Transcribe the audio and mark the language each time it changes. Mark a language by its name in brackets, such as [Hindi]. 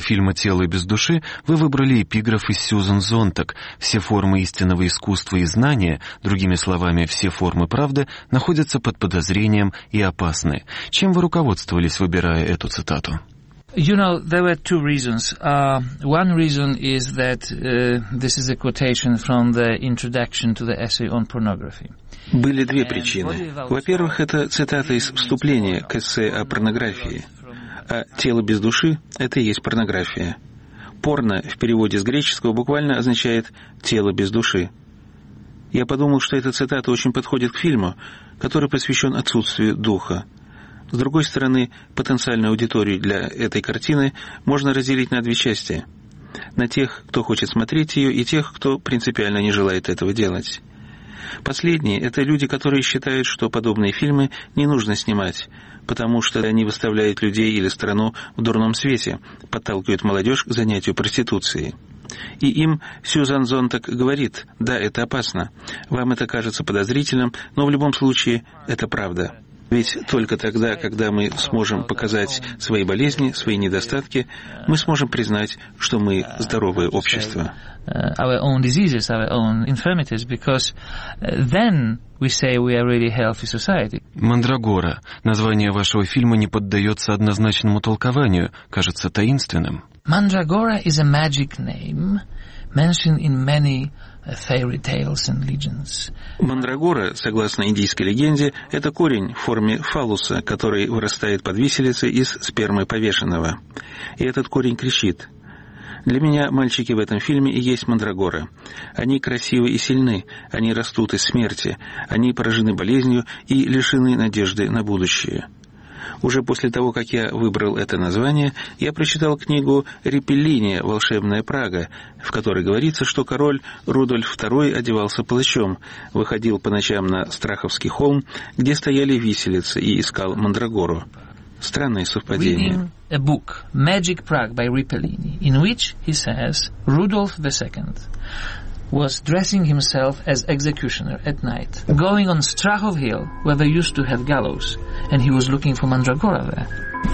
[Russian] фильма «Тело без души» вы выбрали эпиграф из Сьюзен Зонтак. Все формы истинного искусства и знания, другими словами, все формы правды, находятся под подозрением и опасны. Чем вы руководствовались, выбирая эту цитату? [English] You know, there were 2 reasons. One reason is that this is a quotation from the introduction to the essay on pornography. [Russian] Были 2 причины. Во-первых, это цитата из вступления к эссе о порнографии. А «Тело без души» — это и есть порнография. Порно в переводе с греческого буквально означает «тело без души». Я подумал, что эта цитата очень подходит к фильму, который посвящен отсутствию духа. С другой стороны, потенциальную аудиторию для этой картины можно разделить на 2 части. На тех, кто хочет смотреть ее, и тех, кто принципиально не желает этого делать. Последние — это люди, которые считают, что подобные фильмы не нужно снимать, потому что они выставляют людей или страну в дурном свете, подталкивают молодежь к занятию проституцией. И им Сьюзан Зонтак говорит: «Да, это опасно. Вам это кажется подозрительным, но в любом случае это правда». Ведь только тогда, когда мы сможем показать свои болезни, свои недостатки, мы сможем признать, что мы здоровое общество. [English] Our own diseases, our own infirmities, because then we say we are really healthy society. [Russian] «Мандрагора» — название вашего фильма не поддается однозначному толкованию, кажется таинственным. [English] «Мандрагора» — is a magic name, mentioned in many fairy tales and legends. [Russian] «Мандрагора», согласно индийской легенде, это корень в форме фаллуса, который вырастает под виселицей из спермы повешенного. И этот корень кричит. Для меня мальчики в этом фильме и есть мандрагоры. Они красивы и сильны, они растут из смерти, они поражены болезнью и лишены надежды на будущее. Уже после того, как я выбрал это название, я прочитал книгу «Репеллини. Волшебная Прага», в которой говорится, что король Рудольф II одевался палачом, выходил по ночам на Страховский холм, где стояли виселицы, и искал мандрагору. Странное совпадение. [English] A book, Magic Prague by Repellini, in which he says Rudolf II was dressing himself as executioner at night, going on Strahov Hill, where they used to have gallows, and he was looking for Mandragora there.